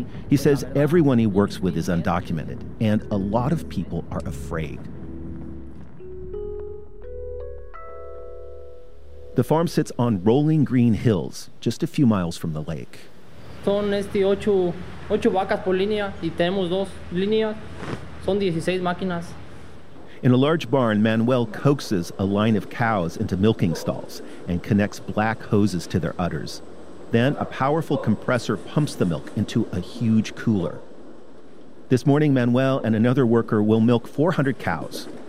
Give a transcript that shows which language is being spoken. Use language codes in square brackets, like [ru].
[en] He says everyone he works with is undocumented, and a lot of people are afraid. The farm sits on rolling green hills, just a few miles from the lake. [es] Son ocho vacas por línea, y tenemos dos líneas, son 16 máquinas. [en] In a large barn, Manuel coaxes a line of cows into milking stalls and connects black hoses to their udders. Then a powerful compressor pumps the milk into a huge cooler. This morning, Manuel and another worker will milk 400 cows.